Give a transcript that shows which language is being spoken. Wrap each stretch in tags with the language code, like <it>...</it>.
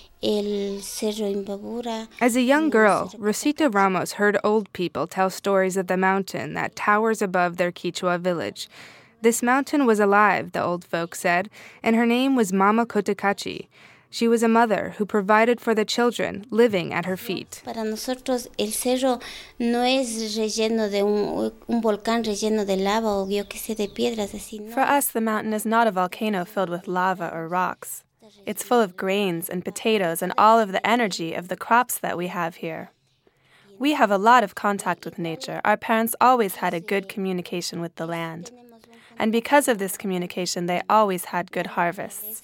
<en>As a young girl, Rosita Ramos heard old people tell stories of the mountain that towers above their Quechua village. This mountain was alive, the old folks said, and her name was Mama Cotacachi. She was a mother who provided for the children living at her feet.</en> <es>Para nosotros el cerro no es relleno de un volcán relleno de lava o yo que sé de piedras así.</es> <en>For us, the mountain is not a volcano filled with lava or rocks. It's full of grains and potatoes and all of the energy of the crops that we have here. We have a lot of contact with nature. Our parents always had a good communication with the land. And because of this communication, they always had good harvests.</en>